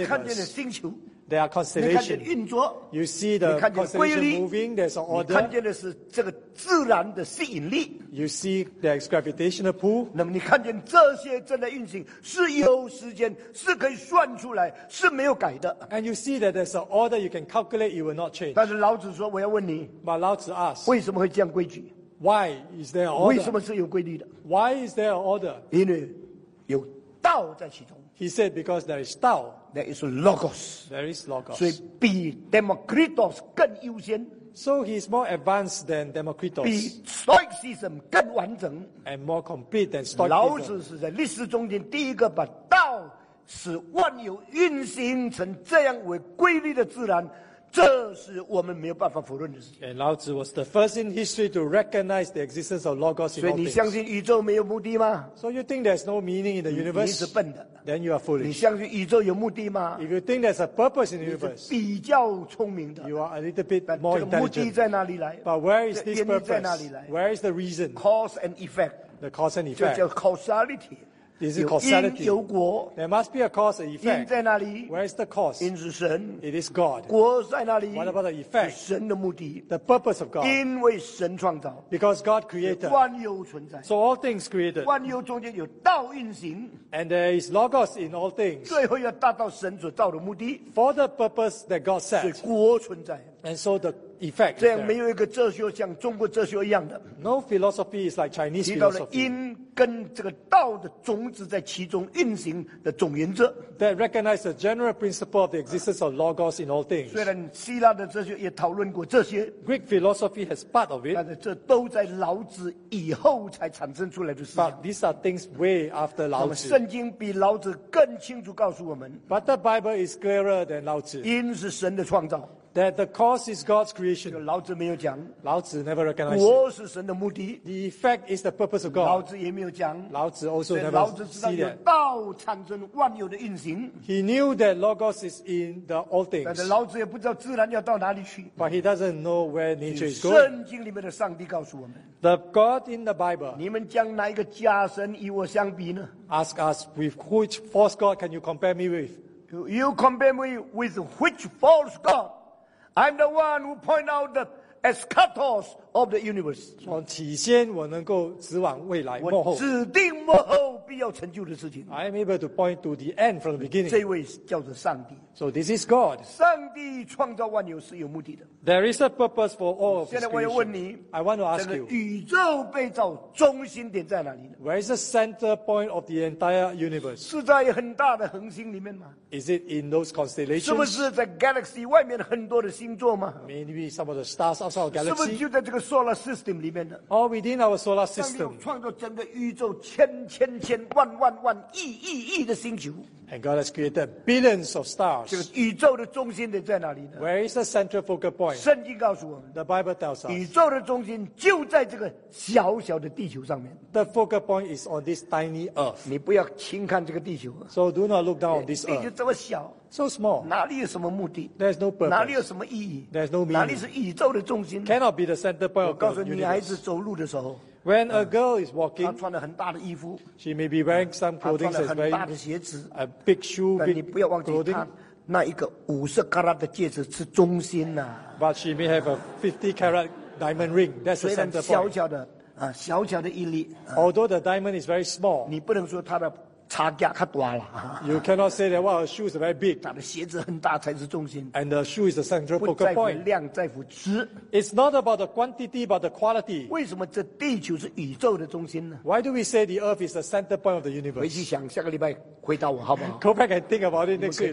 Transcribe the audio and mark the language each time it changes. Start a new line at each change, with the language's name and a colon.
Chinese: 你看见了星球。
English: There are constellations.
Chinese: 你看见运作。
English: You see the constellation moving. There's an order.
Chinese: 你看见的是这个自然的吸引力。
English: You see there's gravitational pull.
Chinese: 那么你看见这些正在运行，是有时间，是可以算出来，是没有改的。
English: And you see that there's an order you can calculate, it will not change.
Chinese: 但是老子说，我要问你。
English: But 老子 asks,
Chinese: 为什么会这样规矩
English: ？Why is there an order?
Chinese: 为什么是有规律的
English: ？Why is there an order?
Chinese: 因为有道在其中。
English: He said because there is 道。 There is logos. There is logos.
Chinese: 所以比 Democritus 更优先。
English: So he is more advanced than Democritus.
Chinese: 比 Stoicism 更完整。
English: And more complete than Stoicism.
Chinese: 老子是在历史中间第一个把道使万有运行成这样为规律的自然，这是我们没有办法否认的事情。
English: And 老子 was the first in history to recognize the existence of logos in all things.
Chinese: 所以你相信宇宙没有目的吗
English: ？So you think there's no meaning in the universe?
Chinese: 你是笨的。
English: Then you are foolish.
Chinese: 你相信宇宙有目的吗
English: ？If you think there's a purpose in the universe,
Chinese: 你是比较聪明的。
English: You are a little bit more intelligent.
Chinese: 这个目的在哪里来
English: ？But where is this purpose?
Chinese: 原因在哪里来
English: ？Where is the reason? Cause and effect. The cause and effect.
Chinese: 这叫 causality.
English: This is causality.
Chinese: 有因有果。
English: There must be a cause and effect.
Chinese: 因在哪里
English: ？Where is the cause?
Chinese: 因是神。
English: It is God.
Chinese: 果在哪里
English: ？What about the effect?
Chinese: 是神的目的。
English: The purpose of God.
Chinese: 因为神创造。
English: Because God created.
Chinese: 万有存在。
English: So all things created.
Chinese: 万有中间有道运行。
English: And there is logos in all things.
Chinese: 最后要达到神所造的目的。
English: For the purpose that God set.
Chinese: 所以果存在。
English: And so the effect.
Chinese: 这样没有一个哲学像中国哲学一样的。
English: No philosophy is like Chinese philosophy.
Chinese: 提到了因跟这个道的种子在其中运行的总原则。
English: That recognize the general principle of the existence of logos in all things.
Chinese: 虽然希腊的哲学也讨论过这些。
English: Greek philosophy has part of it.
Chinese: 但是这都在老子以后才产生出来的事情。
English: But these are things way after 老子。
Chinese: 圣经比老子更清楚告诉我们。
English: But the Bible is clearer than 老子。
Chinese: 因是神的创造。
English: That the cause is God's creation.
Chinese: 老子没有讲。
English: 老子 never recognized.
Chinese: 果是神的目的。
English: The effect is the purpose of God.
Chinese: 老子也没有讲。
English: 老子 also never see that.
Chinese: 老子知道有道产生万有的运行。
English: He knew that logos is in the all things.
Chinese: 但是老子也不知道自然要到哪里去。
English: But he doesn't know where nature is going.
Chinese: 圣经里面的上帝告诉我们。
English: The God in the Bible.
Chinese: 你们将哪一个假神与我相比呢？
English: Ask us with which false God can you compare me with? You compare me with which false God? I'm the one who point out the eschatos of the universe.
Chinese: 从起先我能够指往未来幕后。我指定幕后必要成就的事情。
English: I'm able to point to the end from the beginning.
Chinese: 这位叫做上帝。
English: So this is God.
Chinese: 上帝创造万有是有目的的。
English: There is a purpose for all of
Chinese: creation. 现在我要问你。
English: I want to ask you.
Chinese: 宇宙被造中心点在哪里呢？
English: Where is the center point of the entire universe?
Chinese: 是在很大的恒星里面吗？
English: Is it in those constellations?
Chinese: 是不是在 galaxy 外面很多的星座吗？
English: Maybe some of the stars outside of galaxy.
Chinese: 是不是就在这个 solar system 里面的？
English: Or within our solar system.
Chinese: 上帝创造整个宇宙千千千万万万亿亿亿的星球。
English: And God has created billions of stars.
Chinese: 这个宇宙的中心点在哪里呢？
English: Where is the central focal point?
Chinese: 圣经告诉我们。
English: The Bible tells us.
Chinese: 宇宙的中心就在这个小小的地球上面。
English: The focal point is on this tiny earth.
Chinese: 你不要轻看这个地球。
English: So do not look down on this earth.
Chinese: 地球这么小。
English: So small.
Chinese: 哪里有什么目的？
English: There's no purpose.
Chinese: 哪里有什么意义？
English: There's no meaning.
Chinese: 哪里是宇宙的中心？
English: Cannot be the center point of the
Chinese: universe. 我告诉女孩子走路的时候。
English: When a girl is walking,
Chinese: 她穿了很大的衣服,
English: she may be wearing some clothing,
Chinese: 她穿了很大的鞋子,
English: a big shoe, big clothing.
Chinese: 但你不要忘记她那一个50 carat 的戒指是中心啊。
English: But she may have a 50 carat diamond ring. That's the center point.
Chinese: 小小的, 小小的一粒,
English: Although the diamond is very small,
Chinese: 你不能说她的叉架太大了。
English: You cannot say that, well, her shoe is very big.
Chinese: 她的鞋子很大才是中心。
English: And the shoe is the central focal point.
Chinese: 不在乎量，在乎质。
English: It's not about the quantity, but the quality.
Chinese: 为什么这地球是宇宙的中心呢？
English: Why do we say the earth is the center point of the universe?
Chinese: 回去想，下个礼拜回答我好不好？
English: Go back and think about it next week.